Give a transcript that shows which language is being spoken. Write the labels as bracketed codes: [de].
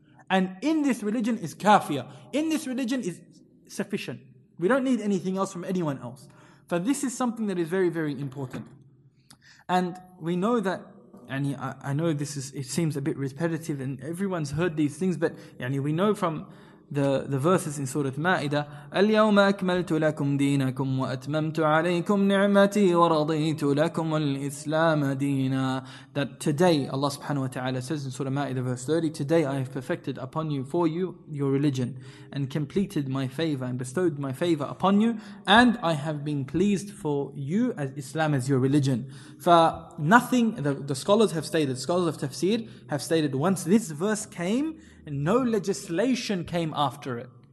[en] And in this religion is kafiya. In this religion is sufficient. We don't need anything else from anyone else. For this is something that is very, very important. And we know that, yani, I know this is, it seems a bit repetitive and everyone's heard these things, but yani, we know from the verses in Surah Ma'idah, [ar] اليوم أكملت لكم دينكم وأتممت عليكم نعمتي ورضيت لكم الإسلام دينا. [en] That today Allah subhanahu wa ta'ala says in Surah Ma'idah verse 30, today I have perfected upon you for you your religion and completed my favor and bestowed my favor upon you, and I have been pleased for you as Islam as your religion. For nothing, the scholars of tafsir have stated, once this verse came, no legislation came after it.